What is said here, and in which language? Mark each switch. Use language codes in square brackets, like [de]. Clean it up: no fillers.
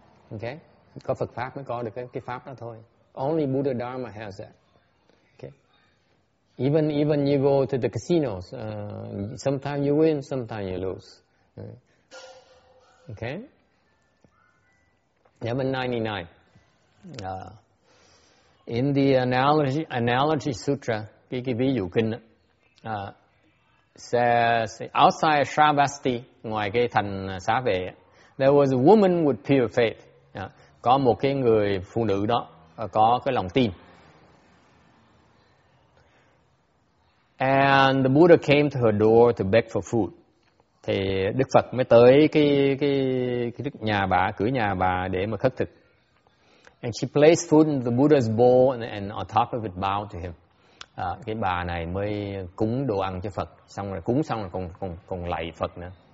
[vi] Okay, có Phật pháp mới có được cái pháp đó thôi. [en] Only Buddha Dharma has that. Okay, even you go to the casinos, sometimes you win, sometimes you lose. Okay. Yaman 99. In the analogy sutra, Kiki Viyu Kinh says outside Shravasti, [vi] ngoài cái thành xá vệ, [en] there was a woman with pure faith. [vi] Có một cái người phụ nữ đó có cái lòng tin. [en] And the Buddha came to her door to beg for food. [vi] Thì Đức Phật mới tới cái nhà bà, cửa nhà bà để mà khất thực. [en] And she placed food in the Buddha's bowl and on top of it bowed to him. [vi] Cái bà này mới cúng đồ ăn cho Phật, xong rồi cúng xong rồi còn lạy Phật nữa.